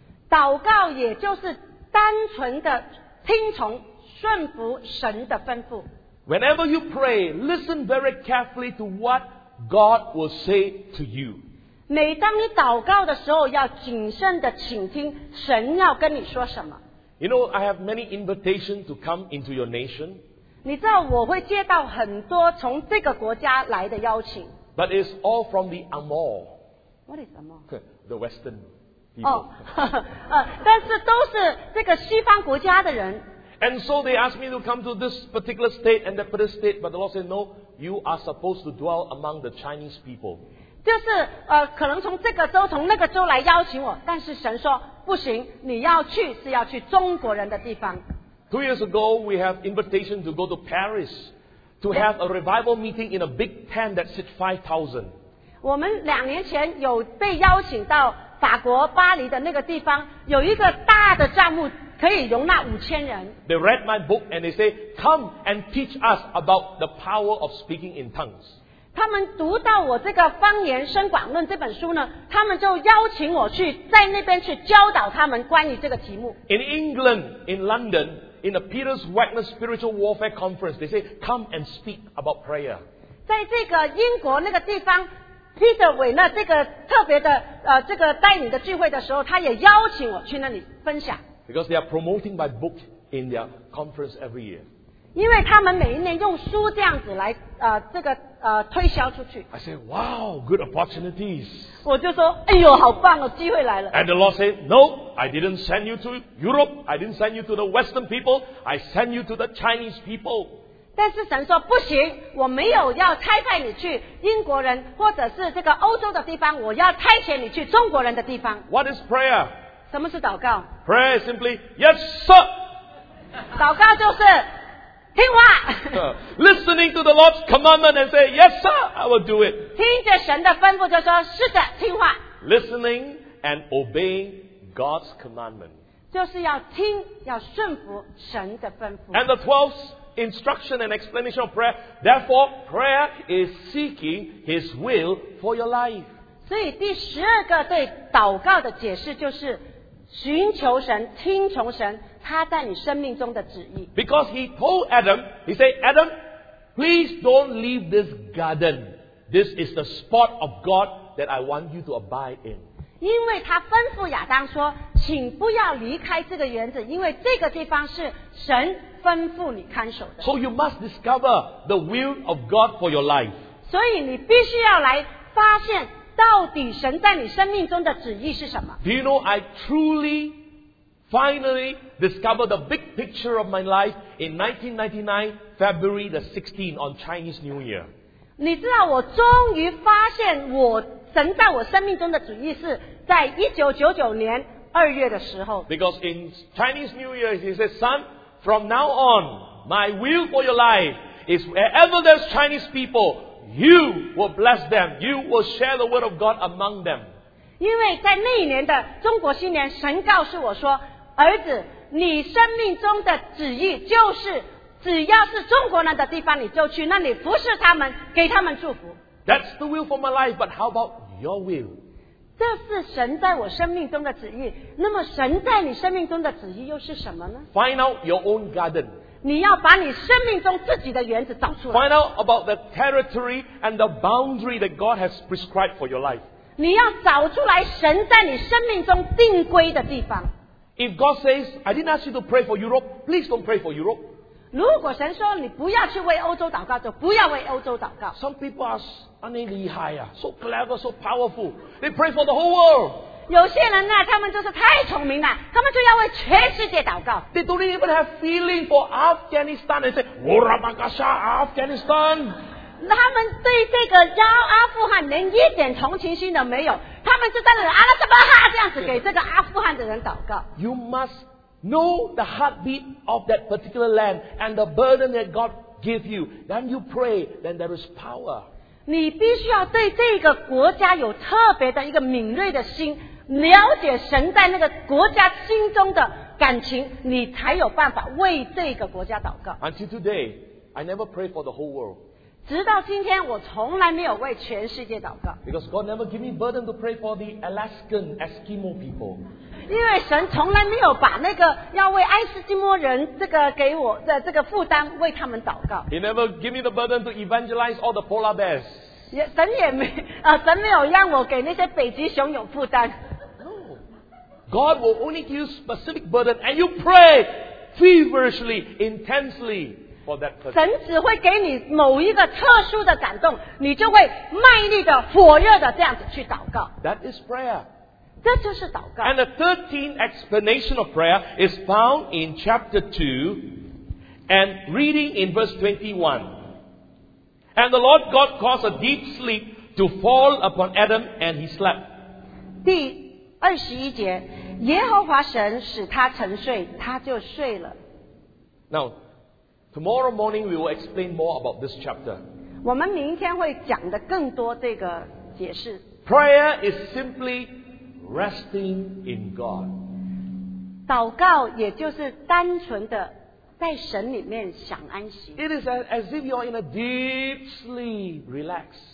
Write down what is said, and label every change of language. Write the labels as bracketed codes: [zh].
[zh] 祷告也就是单纯的听从顺服神的吩咐。 [en] Whenever you pray, listen very carefully to what God will say to you. [zh] 每当你祷告的时候要谨慎的倾听神要跟你说什么。 [en] You know, I have many invitations to come into your nation. [zh] 你知道我会接到很多从这个国家来的邀请。 [en] But it's all from the Amor. What is Amor? The Western people. [zh] 但是都是这个西方国家的人。 [en] And so they asked me to come to this particular state and that particular state, but the Lord said, no, you are supposed to dwell among the Chinese people. [zh] 就是可能从这个州从那个州来邀请我，但是神说不行，你要去是要去中国人的地方。 [en] 2 years ago, we have invitation to go to Paris to have a revival meeting in a big tent that sits 5,000. [zh] 我们两年前有被邀请到法国巴黎的那个地方，有一个大的帐幕可以容纳5,000人。 [en] They read my book and they say, "Come and teach us about the power of speaking in tongues." [zh] 他们读到我这个《方言深广论》这本书呢，他们就邀请我去在那边去教导他们关于这个题目。 [en] In England, in London. In the Peter's Wagner Spiritual Warfare Conference, they say, come and speak about prayer. [zh] 在这个英国那个地方 ,Peter 韦纳这个特别的这个带领的聚会的时候他也邀请我去那里分享。 [en] Because they are promoting my book in their conference every year. [zh] 因为他们每一年用书这样子来这个推销出去。 [en] I say, wow, good opportunities. [zh] 我就说哎呦好棒哦机会来了。 [en] And the Lord said, no, I didn't send you to Europe, I didn't send you to the Western people, I sent you to the Chinese people. [zh] 但是神说不行我没有要差派你去英国人或者是这个欧洲的地方我要差遣你去中国人的地方。 [en] What is prayer? [zh] 什么是祷告? [en] Prayer is simply, yes sir! [zh] 祷告就是听话 [en] listening to the Lord's commandment and say, yes, sir, I will do it. [zh] 听着神的吩咐就说是的听话 [en] listening and obeying God's commandment. [zh] 就是要听要顺服神的吩咐 [en] And the 12th instruction and explanation of prayer, therefore, prayer is seeking His will for your life. [zh] 所以第十二个对祷告的解释就是寻求神，听从神他在你生命中的旨意。 [en] Because he told Adam, he said, Adam, please don't leave this garden. This is the spot of God that I want you to abide in. [zh] 因为他吩咐亚当说，请不要离开这个园子，因为这个地方是神吩咐你看守的。 [en] So you must discover the will of God for your life. [zh] 所以你必须要来发现到底神在你生命中的旨意是什么。 [en] Do you know I truly... finally discovered the big picture of my life in 1999, February the 16th on Chinese New Year. [zh] 你知道我终于发现我神在我生命中的旨意是在1999年2月的时候。 [en] Because in Chinese New Year, he says, Son, from now on, my will for your life is wherever there's Chinese people, you will bless them, you will share the word of God among them. [zh] 因为在那一年的中国新年，神告诉我说，儿子，你生命中的旨意就是只要是中国人的地方你就去，那你服侍他们，给他们祝福。 [en] That's the will for my life, but how about your will? [zh] 这是神在我生命中的旨意，那么神在你生命中的旨意又是什么呢？ [en] Find out your own garden. [zh] 你要把你生命中自己的园子找出来。 [en] Find out about the territory and the boundary that God has prescribed for your life. [zh] 你要找出来神在你生命中定规的地方。 [en] If God says, I didn't ask you to pray for Europe, please don't pray for Europe. [zh] 如果神说你不要去为欧洲祷告，就不要为欧洲祷告。 [en] Some people are so [zh] 厉害啊， [en] so clever, so powerful. They pray for the whole world. [zh] 有些人啊，他们就是太聪明了，他们就要为全世界祷告。 [en] They don't even have feeling for Afghanistan. They say, Warabakasha, Afghanistan. [zh] 他们对这个要阿富汗连一点同情心都没有，他们就在那里阿拉什巴哈这样子给这个阿富汗的人祷告。 [en] You must know the heartbeat of that particular land and the burden that God gives you. Then you pray, then there is power. [zh] 你必须要对这个国家有特别的一个敏锐的心，了解神在那个国家心中的感情，你才有办法为这个国家祷告。 [en] Until today, I never pray for the whole world. [zh] 直到今天，我从来没有为全世界祷告。 [en] Because God never gave me burden to pray for the Alaskan Eskimo people. [zh] 因为神从来没有把那个要为爱斯基摩人这个给我的这个负担为他们祷告。 [en] He never gave me the burden to evangelize all the polar bears. [zh] 也神也没啊、神没有让我给那些北极熊有负担。 [en] No. God will only give you specific burden, and you pray feverishly, intensely. [zh] 神只会给你某一个特殊的感动，你就会卖力的、火热的这样子去祷告。 [en] That is prayer. [zh] 这就是祷告。 [en] And the 13th explanation of prayer is found in chapter 2 and reading in verse 21. And the Lord God caused a deep sleep to fall upon Adam and he slept. [zh] 第21节，耶和华神使他沉睡，他就睡了。 [en] Now,Tomorrow morning, we will explain more about this chapter. [zh] 我们明天会讲的更多这个解释。 [en] Prayer is simply resting in God. [zh] 祷告也就是单纯的在神里面想安息。 [en] It is as if you're in a deep sleep, relax.